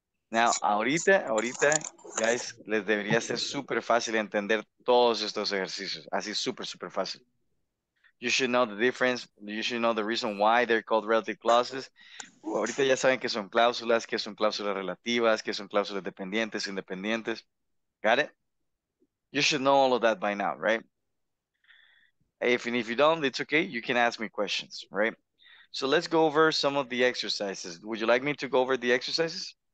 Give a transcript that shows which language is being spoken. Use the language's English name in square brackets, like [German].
[Spanish] Now, ahorita, guys, les debería ser super fácil entender todos estos ejercicios. Así, super, super fácil. [English] You should know the difference. You should know the reason why they're called relative clauses. [Spanish] Ahorita ya saben que son cláusulas relativas, que son cláusulas dependientes, independientes. [English] Got it? You should know all of that by now, right? If you don't, it's okay. You can ask me questions, right? So let's go over some of the exercises. Would you like me to go over the exercises?